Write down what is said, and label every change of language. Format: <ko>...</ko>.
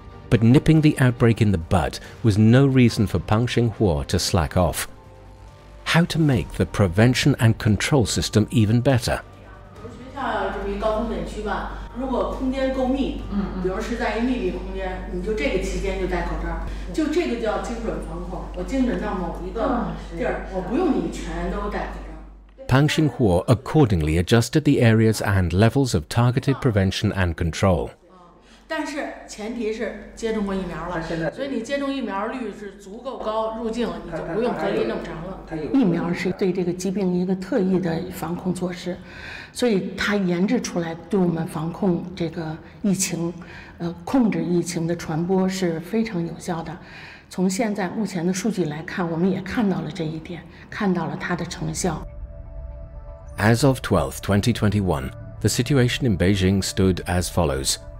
<en>But nipping the outbreak in the bud was no reason for Peng Xinghuo to slack off. How to make the prevention and control system even better?</en> <zh>如果空间够密，比如是在一密闭空间，你就这个期间就戴口罩，就这个叫精准防控。我精准到某一个地儿，我不用你全都戴口罩。</zh> <en>Peng Xinghuo accordingly adjusted the areas and levels of targeted prevention and control.</en> <zh>但是前提是接种过疫苗了，所以你接种疫苗率是足够高，入境你就不用隔离那么长了。疫苗是对这个疾病一个特异的防控措施。所以它研制出来对我们防控这个疫情控制疫情的传播是非常有效的。从现在目前的数据来看，我们也看到了这一点，看到了它的成效。</zh> <en>As of 12th, 2021, the situation in Beijing stood as follows.</en>